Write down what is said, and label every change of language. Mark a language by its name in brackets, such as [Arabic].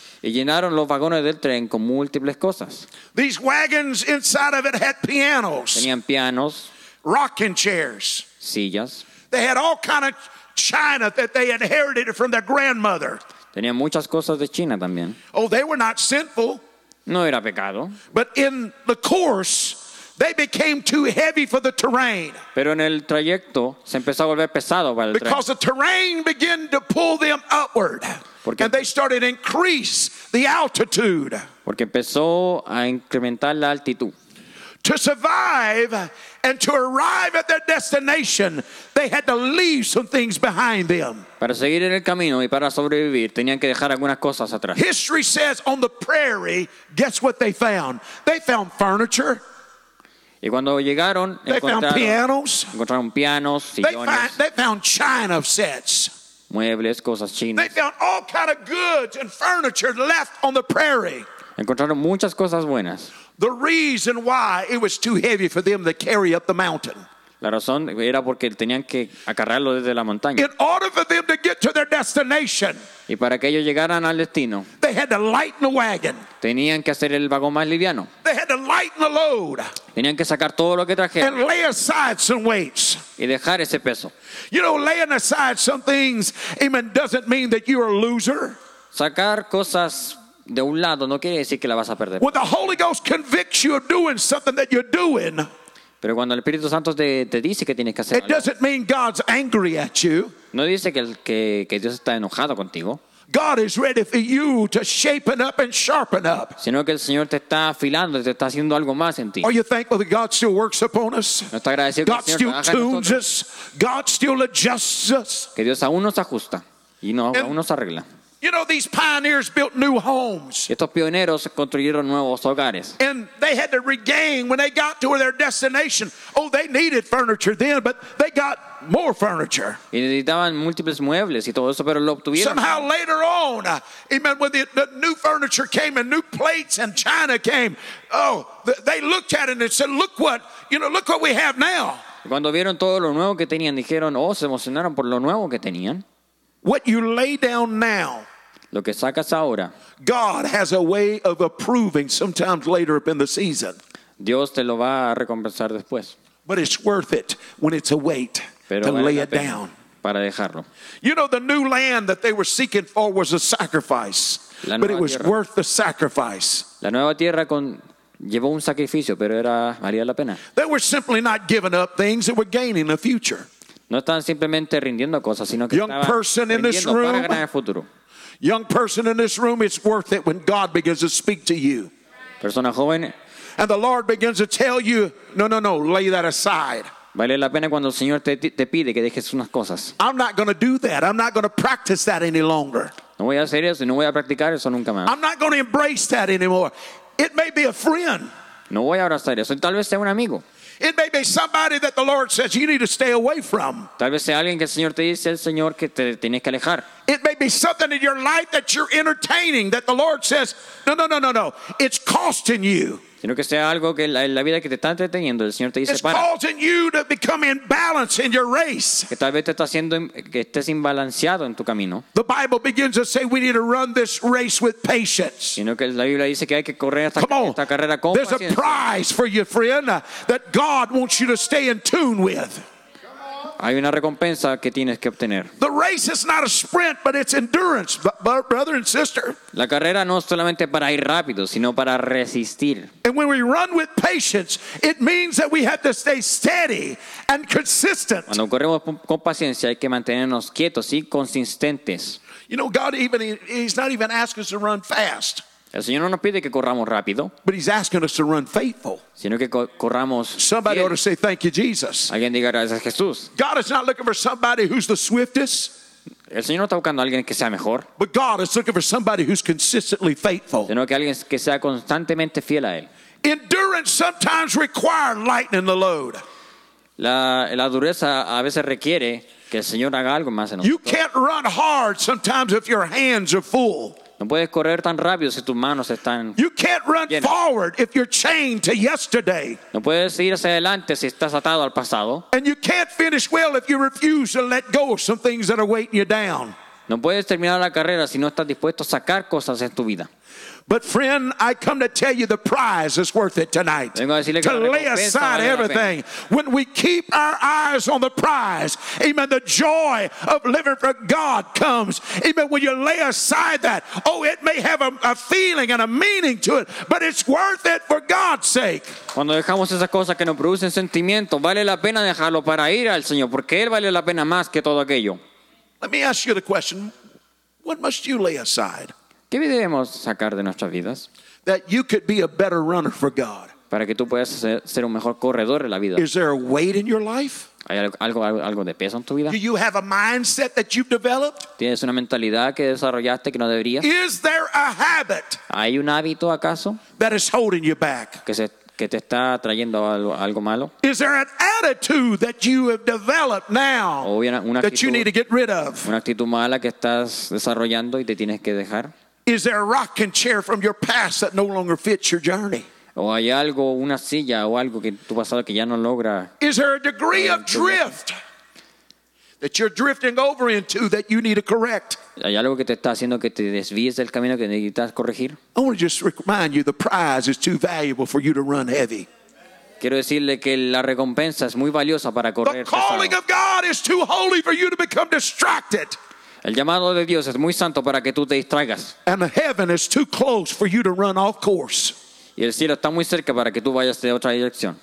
[Spanish] Y llenaron los vagones del tren con múltiples cosas. [English] These wagons inside of it had pianos. [Spanish] Tenían pianos. [English] Rocking chairs. [Spanish] Sillas. [English] They had all kind of china that they inherited from their grandmother. [Spanish] Tenían muchas cosas de China también. [English] Oh, they were not sinful. [Spanish] No era pecado. [English] But in the course, they became too heavy for the terrain. [Spanish] Pero en el trayecto se empezó a volver pesado para el tren. [English] Because the terrain began to pull them upward. [Spanish] Porque, [English] and they started to increase the altitude. [Spanish] Porque empezó a incrementar la altitud. [English] To survive and to arrive at their destination, they had to leave some things behind them. [Spanish] Para seguir en el camino y para sobrevivir, tenían que dejar algunas cosas atrás. [English] History says on the prairie, guess what they found? They found furniture. [Spanish] Y cuando llegaron, [English] they found pianos. [Spanish] Encontraron pianos, sillones. [English] They found china sets. [Spanish] Muebles, cosas chinas. [English] They found all kind of goods and furniture left on the prairie. [Spanish] Encontraron muchas cosas buenas. [English] The reason why it was too heavy for them to carry up the mountain. [Spanish] La razón era porque tenían que acarrearlo desde la montaña. [English] In order for them to get to their destination. [Spanish] Y para que ellos llegaran al destino. [English] They had to lighten the wagon. [Spanish] Tenían que hacer el vagón más liviano. [English] They had to lighten the load. [Spanish] Tenían que sacar todo lo que trajeron. [English] And lay aside some weights. [Spanish] Y dejar ese peso. [English] You know, laying aside some things even doesn't mean that you're a loser. [Spanish] Sacar cosas de un lado no quiere decir que la vas a perder. [English] When the Holy Ghost convicts you of doing something that you're doing, [Spanish] pero cuando el Espíritu Santo te dice que tienes que hacer [English] it, doesn't mean God's angry at you. [Spanish] No dice que Dios está enojado contigo. [English] God is ready for you to shapen up and sharpen up. [Spanish] Sino que el Señor te está afilando, te está haciendo algo más en ti. [English] Are you thankful that God still works upon us? [Spanish] ¿No está agradecido [English] God [Spanish] que el Señor [English] still tunes us? God still adjusts us. [Spanish] Que Dios aún nos ajusta y no, aún nos arregla. [English] You know, these pioneers built new homes. [Spanish] Estos pioneros construyeron nuevos hogares. [English] And they had to regain when they got to their destination. Oh, they needed furniture then, but they got more furniture. [Spanish] Y necesitaban múltiples muebles y todo eso, pero lo obtuvieron. [English] Somehow later on, amen, when the new furniture came and new plates and china came, they looked at it and said, look what, you know, look what we have now. [Spanish] Cuando vieron todo lo nuevo que tenían, dijeron, oh, se emocionaron por lo nuevo que tenían. [English] What you lay down now, [Spanish] lo que sacas ahora, [English] God has a way of approving sometimes later up in the season. [Spanish] Dios te lo va a recompensar después. [English] But it's worth it when it's a weight [Spanish] pero [English] to [Spanish] vale [English] lay [Spanish] la [English] it down. [Spanish] Para dejarlo. [English] You know, the new land that they were seeking for was a sacrifice, [Spanish] la nueva [English] but it was [Spanish] tierra. [English] Worth the sacrifice. [Spanish] La nueva tierra con, llevó un sacrificio, pero era, valía la pena. [English] They were simply not giving up things, they were gaining a future. [Spanish] No están simplemente rindiendo cosas, sino que [English] young person in this room, [Spanish] para ganar el futuro. [English] Young person in this room, it's worth it when God begins to speak to you. [Spanish] Persona joven, [English] and the Lord begins to tell you, no, lay that aside. [Spanish] Vale la pena cuando el Señor te pide que dejes unas cosas. [English] I'm not going to do that. I'm not going to practice that any longer. [Spanish] No voy a hacer eso, no voy a practicar eso nunca más. [English] I'm not going to embrace that anymore. It may be a friend. [Spanish] No voy a abrazar eso, tal vez sea un amigo. [English] It may be somebody that the Lord says you need to stay away from. [Spanish] Tal vez sea alguien que el Señor te dice, el Señor que te tienes que alejar. [English] It may be something in your life that you're entertaining that the Lord says, no, it's costing you. [Spanish] Sino que sea algo que la vida que te está entreteniendo, el Señor te dice, [English] it's [Spanish] para. [English] It's causing you to become imbalanced in your race. [Spanish] Que tal vez te está haciendo que estés imbalanceado en tu camino. [English] The Bible begins to say we need to run this race with patience. [Spanish] Sino que la Biblia dice que hay que correr esta carrera con paciencia. [English] There's a prize for you, friend, that God wants you to stay in tune with. [Spanish] Hay una recompensa que tienes que obtener. [English] The race is not a sprint, but it's endurance, brother and sister. [Spanish] La carrera no es solamente para ir rápido, sino para resistir. [English] And when we run with patience, it means that we have to stay steady and consistent. [Spanish] Cuando corremos con paciencia, hay que mantenernos quietos y consistentes. [English] You know, God he's not even asking us to run fast. [Spanish] El Señor no nos pide que corramos rápido, [English] but he's asking us to run faithful. [Spanish] Sino que corramos [English] somebody [Spanish] bien. [English] Ought to say thank you, Jesus. [Spanish] Alguien diga gracias, Jesús. [English] God is not looking for somebody who's the swiftest. [Spanish] El Señor no está buscando a alguien que sea mejor. [English] But God is looking for somebody who's consistently faithful. [Spanish] Sino que alguien que sea constantemente fiel a él. [English] Endurance sometimes requires lightening the load. [Spanish] La dureza a veces requiere que el Señor haga algo más en nosotros. [English] You can't run hard sometimes if your hands are full. [Spanish] No puedes correr tan rápido si tus manos están. [English] You can't run [Spanish] llenas. [English] Forward if you're chained to yesterday. [Spanish] No puedes ir hacia adelante si estás atado al pasado. [English] And you can't finish well if you refuse to let go of some things that are weighing you down. [Spanish] No puedes terminar la carrera si no estás dispuesto a sacar cosas en tu vida. [English] But friend, I come to tell you the prize is worth it tonight. [Spanish] Vengo a decirle que [English] to lay aside [Spanish] vale [English] everything. When we keep our eyes on the prize, amen, the joy of living for God comes. Amen, when you lay aside that, oh, it may have a feeling and a meaning to it, but it's worth it for God's sake. [Spanish] Cuando dejamos esas cosas que nos producen sentimiento, vale la pena dejarlo para ir al Señor, porque Él vale la pena más que todo aquello. [English] Let me ask you the question, what must you lay aside? [Spanish] ¿Qué debemos sacar de nuestras vidas? [English] That you could be a better runner for God. [Spanish] Para que tú puedas ser un mejor corredor en la vida. [English] Is there a weight in your life? [Spanish] ¿Hay algo de peso en tu vida? [English] Do you have a mindset that you've developed? [Spanish] ¿Tienes una mentalidad que desarrollaste que no deberías? [English] Is there a habit? [Spanish] ¿Hay un hábito acaso? [English] That is holding you back. [Spanish] Que te está trayendo algo malo? [English] Is there an attitude that you have developed now that you need to get rid of? [Spanish] ¿Una actitud mala que estás desarrollando y te tienes que dejar? [English] Is there a rocking chair from your past that no longer fits your journey? [Spanish] ¿O hay algo, una silla o algo que tu pasado que ya no logra? [English] Is there a degree of drift that you're drifting over into that you need to correct? [Spanish] ¿Hay algo que te está haciendo que te desvíes del camino que necesitas corregir? [English] I want to just remind you the prize is too valuable for you to run heavy. [Spanish] Quiero decirle que la recompensa es muy valiosa para correr pesado. [English] The calling of God is too holy for you to become distracted. [Spanish] El llamado de Dios es muy santo para que tú te distraigas. [English] And the heaven is too close for you to run off course. [Spanish] Y el cielo está muy cerca para que tú vayas de otra dirección.